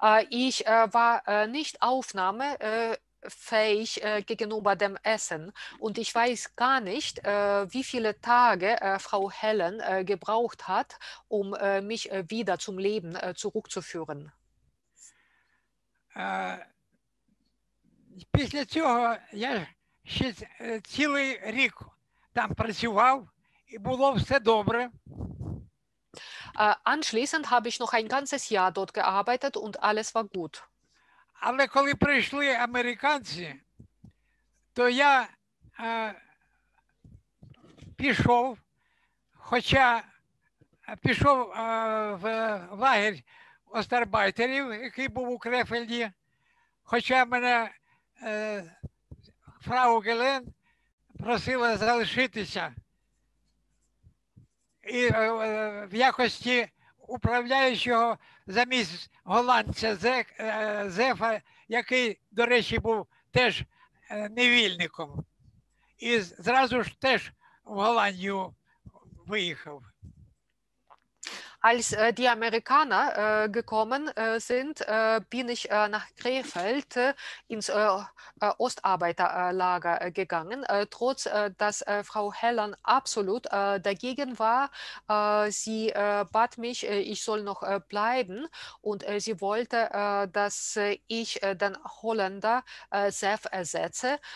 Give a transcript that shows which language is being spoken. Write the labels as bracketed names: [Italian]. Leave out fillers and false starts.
[German] Ich war nicht aufnahmefähig gegenüber dem Essen. Und ich weiß gar nicht, wie viele Tage Frau Helen gebraucht hat, um mich wieder zum Leben zurückzuführen. [Ukrainian] Після цього я ще цілий рік там працював, і було все добре. [German] Anschließend habe ich noch ein ganzes Jahr dort gearbeitet und alles war gut. [Ukrainian] Але коли прийшли американці, то я пішов, хоча пішов в лагерь остарбайтерів, який був у Крефельді, хоча мене фрау Гелен просила залишитися і в якості управляючого замість голландця Зефа, який, до речі, був теж невільником, і зразу ж теж в Голландію виїхав. [German] Als die Amerikaner gekommen sind, bin ich nach Krefeld ins Ostarbeiterlager gegangen. Trotz dass Frau Helen absolut dagegen war, sie bat mich, ich soll noch bleiben, und sie wollte, dass ich den Holländer Seth ersetze.